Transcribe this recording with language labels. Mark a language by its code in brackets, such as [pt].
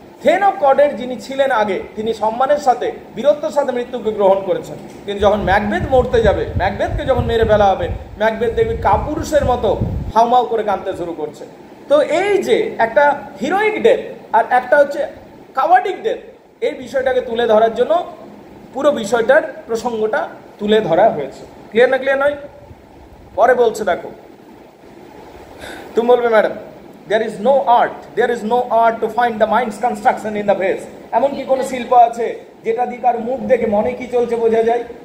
[bn] Then of কর্ডার যিনি ছিলেন আগে, তিনি সম্মানের সাথে বীরত্বের সাথে মৃত্যুকে গ্রহণ করেছেন, কিন্তু যখন ম্যাকবেথ মরতে যাবে, ম্যাকবেথকে যখন মেরে ফেলা হবে, ম্যাকবেথ দেখবে কাপুরুষের মতো হাউমাউ করে কাঁদতে শুরু করছে। তো এই যে একটা হিরোইক ডেথ আর একটা হচ্ছে কাওয়ার্ডিক ডেথ, এই বিষয়টাকে তুলে ধরার জন্য পুরো বিষয়টার প্রসঙ্গটা তুলে ধরা হয়েছে। ক্লিয়ার না? ক্লিয়ার নয়? পরে বলছে দেখো, তুমি বলবে madam [en] There is no art to find the mind's construction in the face. [bn] এমন কি কোন শিল্প আছে যেটা দিয়ে কার মুখ দেখে মনে কি চলছে বোঝা যায়?